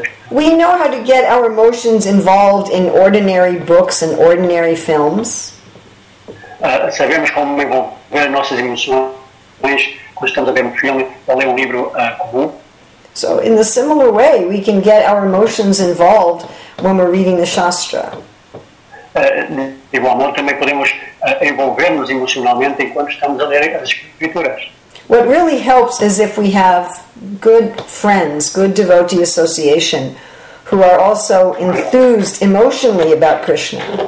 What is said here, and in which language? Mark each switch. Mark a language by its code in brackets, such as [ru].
[en] We know how to get our emotions involved in ordinary books and ordinary films. [pt] Sabemos como envolver nossas emoções quando estamos a ver um filme ou ler um livro comum. [en] So, in a similar way, we can get our emotions involved when we're reading the Shastra. [pt] Igualmente também podemos envolver-nos emocionalmente enquanto estamos a ler as escrituras. [en] What really helps is if we have good friends, good devotee association, who are also enthused emotionally about Krishna.